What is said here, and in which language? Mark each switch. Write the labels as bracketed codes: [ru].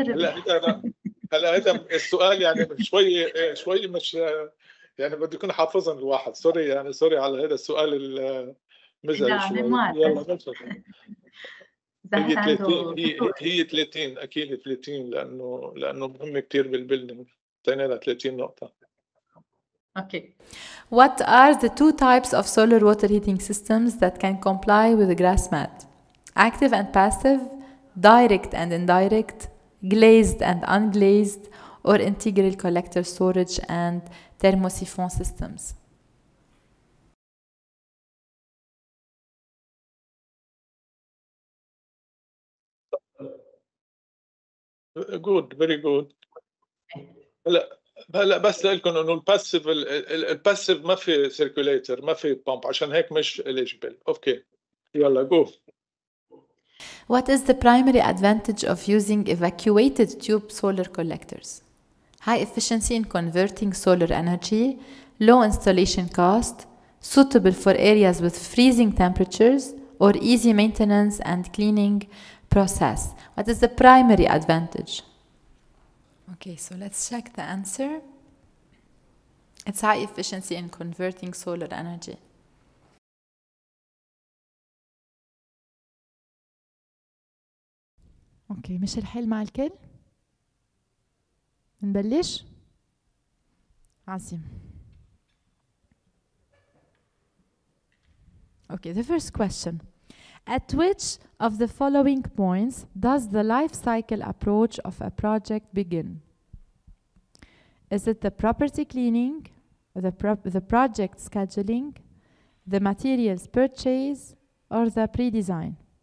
[ar] الربح؟ هلا هذا السؤال يعني شوي مش يعني بده يكون حافظاً الواحد سوري يعني سوري على هذا السؤال المزعج شوي. يلا هي 30 هي 30 اكيد 30 لانه مهم كثير بالبيلدينغ اعطيناها 30 نقطه. اوكي. [en] What are the two types of solar water heating systems that can comply with the GRASMET? Active and passive, direct and indirect, glazed and unglazed, or integral collector storage and thermosiphon systems. Good, very good. [ar] هلا بس لكم انه الباسيف ما في سيركوليتر ما في بامب عشان هيك مش اليجبل. اوكي يلا جو. [en] What is the primary advantage of using evacuated tube solar collectors? High efficiency in converting solar energy, low installation cost, suitable for areas with freezing temperatures, or easy maintenance and cleaning process. What is the primary advantage? Okay, so let's check the answer. It's high efficiency in converting solar energy. [ar] اوكي مش الحل مع الكل نبلش عظيم. [en] Okay the first question, at which of the following points does the life cycle approach of a project begin? Is it the property cleaning, the project scheduling, the materials purchase, or the pre-design?